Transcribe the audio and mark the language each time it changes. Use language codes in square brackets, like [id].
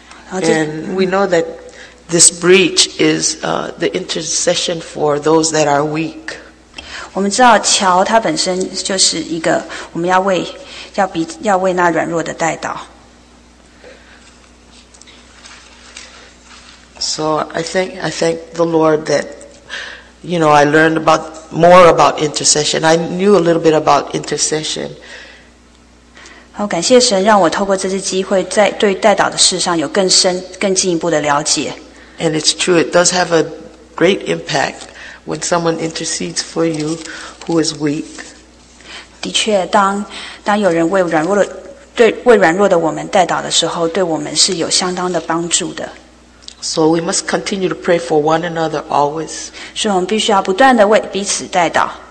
[en] And we know that this breach is the intercession for those that are weak. [zh] 我们知道桥它本身就是一个我们要为那软弱的代祷。 [en] So I thank the Lord that, you know, I learned more about intercession. I knew a little bit about intercession. [zh] 好，感谢神让我透过这次机会，在对代祷的事上有更进一步的了解。 [en] And it's true, it does have a great impact when someone intercedes for you who is weak. [zh] 的确，当有人为软弱的我们代祷的时候，对我们是有相当的帮助的。 [en] So we must continue to pray for one another always. [zh] 所以我们必须要不断的为彼此代祷。